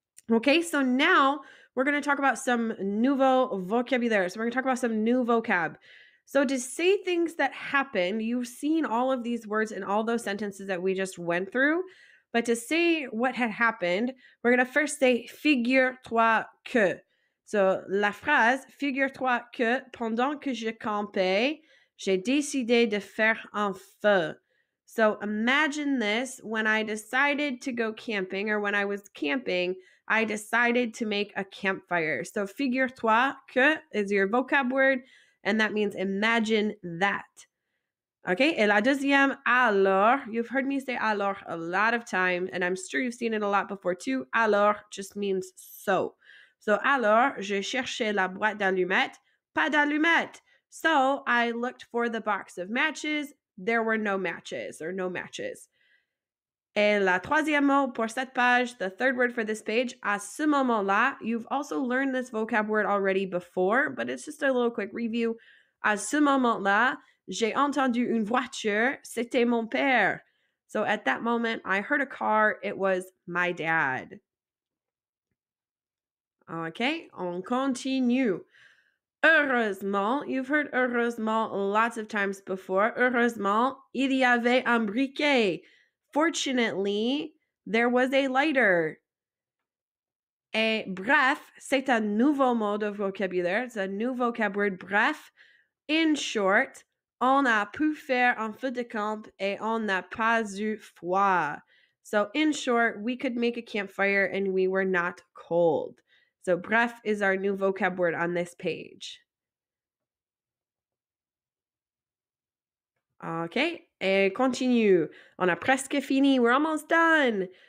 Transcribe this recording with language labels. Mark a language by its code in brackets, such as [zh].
[en] Okay, so now... we're going to talk about some [fr] nouveau vocabulaire. [en] So we're going to talk about some new vocab. So to say things that happened, you've seen all of these words in all those sentences that we just went through. But to say what had happened, we're going to first say figure-toi que. [fr] So la phrase, figure-toi que pendant que je campais, j'ai décidé de faire un feu. [en] So imagine this, when I decided to go camping or when I was camping, I decided to make a campfire. So figure-toi que is your vocab word, and that means imagine that. Okay, [fr] et la deuxième, alors, [en] you've heard me say alors a lot of time, and I'm sure you've seen it a lot before too. Alors just means so. [fr] So alors, je cherchais la boîte d'allumettes, pas d'allumettes. [en] So I looked for the box of matches, there were no matches or no matches. [fr] Et la troisième mot pour cette page, [en] the third word for this page, [fr] à ce moment-là, [en] you've also learned this vocab word already before, but it's just a little quick review. [fr] À ce moment-là, j'ai entendu une voiture, c'était mon père. [en] So at that moment, I heard a car, it was my dad. Okay, [fr] on continue. [en] Heureusement, you've heard heureusement lots of times before. [fr] Heureusement, il y avait un briquet. [en] Fortunately, there was a lighter. [fr] Et bref, c'est un nouveau mot de vocabulaire. [en] It's a new vocab word, bref. In short, [fr] On a pu faire un feu de camp et on n'a pas eu froid. [en] So in short, we could make a campfire and we were not cold. So bref is our new vocab word on this page. [fr] Okay, et continue. On a presque fini, [en] we're almost done.